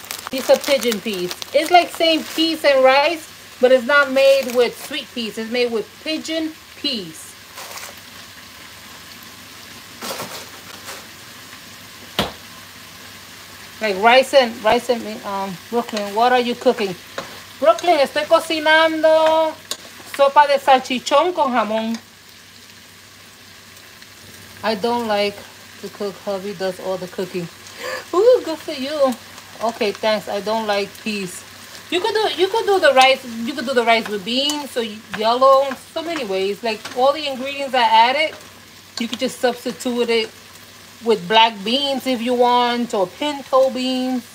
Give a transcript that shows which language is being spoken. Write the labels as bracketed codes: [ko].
[en] These are pigeon peas. It's like same peas and rice, but it's not made with sweet peas. It's made with pigeon peas. Like rice and Brooklyn, what are you cooking? [es] Brooklyn, estoy cocinando sopa de salchichón con jamón. [en] I don't like to cook. Hubby does all the cooking. Ooh, good for you. Okay, thanks. I don't like peas. You could do the rice. You could do the rice with beans. So yellow. So many ways. Like all the ingredients I added, you could just substitute it with black beans if you want, or pinto beans.